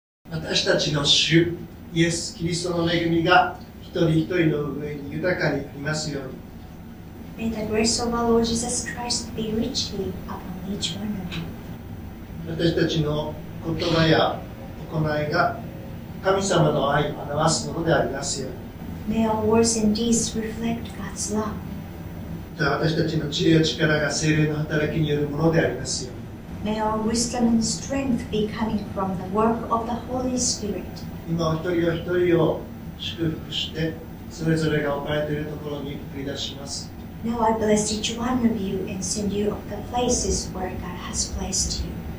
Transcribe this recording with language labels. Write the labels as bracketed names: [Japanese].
[Japanese] 私たちの主、イエス・キリストの恵みが一人一人の上に豊かにありますように。 [English] May the grace of our Lord Jesus Christ be richly upon each one of you. [Japanese] 私たちの言葉や行いが神様の愛を表すものでありますように。 [English] May our words and deeds reflect God's love. [Japanese] 私たちの知恵や力が聖霊の働きによるものでありますように。 [English] May our wisdom and strength be coming from the work of the Holy Spirit. [Japanese] 今お一人お一人を祝福して、それぞれが置かれているところに送り出します。 [English] Now I bless each one of you and send you to the places where God has placed you.